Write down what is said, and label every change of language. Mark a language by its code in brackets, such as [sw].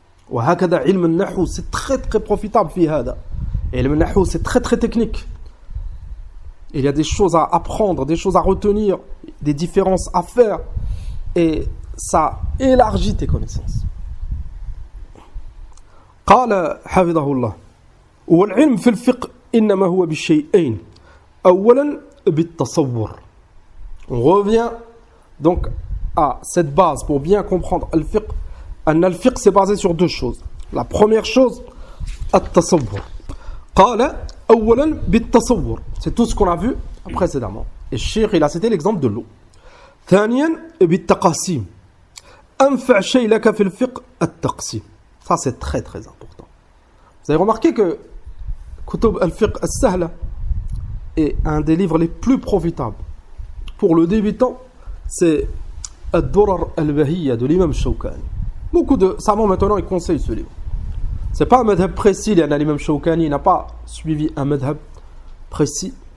[ar] Wa hakada ilm al-nahu, [fr] c'est très très profitable fi hada. Ilm al-nahu, c'est très très technique. Il y a des choses à apprendre, des choses à retenir, des différences à faire. Et ça élargit tes connaissances. [ar] قال حفظه الله والعلم في الفقه إنما هو بشيئين أولا بالتصور. [fr] On revient donc à cette base pour bien comprendre le fiqh. أن الفقه s'est basé sur deux choses. La première chose, التصور. [ar] قال أولا بالتصور. [fr] C'est tout ce qu'on a vu précédemment. Et Cheikh, il a cité l'exemple de l'eau. [ar] ثانيا بالتقاسيم أنفع شيء لك في الفقه التقسيم. [fr] Ça, c'est très très important. Vous avez remarqué que Kutub al-Fiqh al-Sahla est un des livres les plus profitables. Pour le débutant, c'est Ad-Durar al-Bahiyya de l'imam Shawkani. Beaucoup de savants maintenant, ils conseillent ce livre. Ce n'est pas un madhab précis, l'imam Shawkani n'a pas suivi un madhab précis.